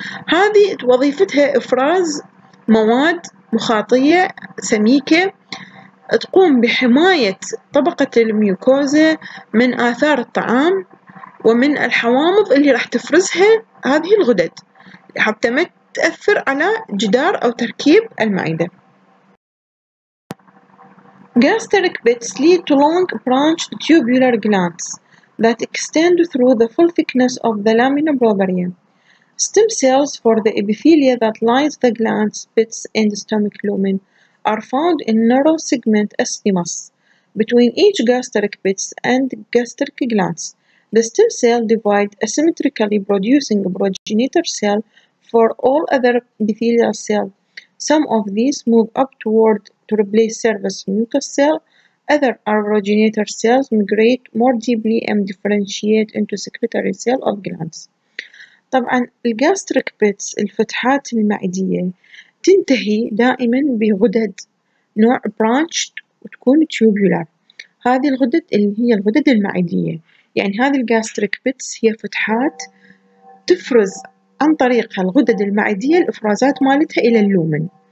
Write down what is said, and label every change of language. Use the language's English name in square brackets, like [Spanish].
[Arabic] هذه وظيفتها افراز مواد مخاطيه سميكه تقوم بحمايه طبقه الميوكوزا من اثار الطعام ومن الحوامض اللي راح تفرزها هذه الغدد حتى ما تاثر على جدار او تركيب المعده. [English] Gastric pits lead to long branched tubular glands that extend through the full thickness of the lamina propria. Stem cells for the epithelia that lines the glands, pits, and stomach lumen are found in narrow segment asthenes between each gastric pits and gastric glands. The stem cells divide asymmetrically, producing a progenitor cell for all other epithelial cells. Some of these move up toward to replace surface mucous cell, other are progenitor cells migrate more deeply and differentiate into secretory cell of glands. [Arabic] طبعا الجاستريك بيتس الفتحات المعدية تنتهي دائما بغدد نوع branched وتكون tubular. هذه الغدد اللي هي الغدد المعدية، يعني هذه الجاستريك بيتس هي فتحات تفرز عن طريقها الغدد المعدية الإفرازات مالتها إلى اللومن.